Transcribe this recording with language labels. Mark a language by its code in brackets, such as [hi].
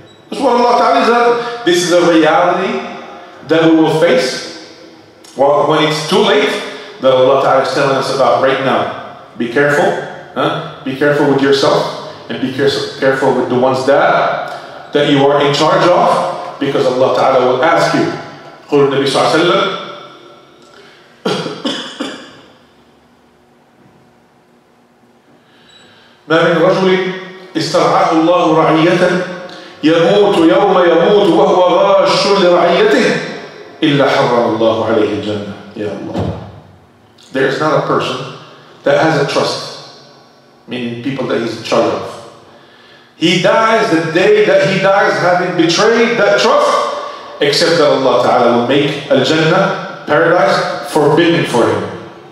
[en] That's what Allah Ta'ala is up. This is a reality that we will face when it's too late, that Allah Ta'ala is telling us about right now. Be careful, huh? Be careful with yourself, and be careful with the ones that you are in charge of, because Allah Ta'ala will ask you. [ar] Qul Nabi Sallallahu Alaihi Wasallam, ما من رجل استرعاه الله رعية يموت يوم يموت وهو غاش لرعيته إلا حرم الله عليه الجنة. يا الله. [en] There is not a person that has a trust, meaning people that he's in charge of. He dies the day that he dies having betrayed that trust, except that Allah Ta'ala will make al-Jannah, paradise, forbidden for him.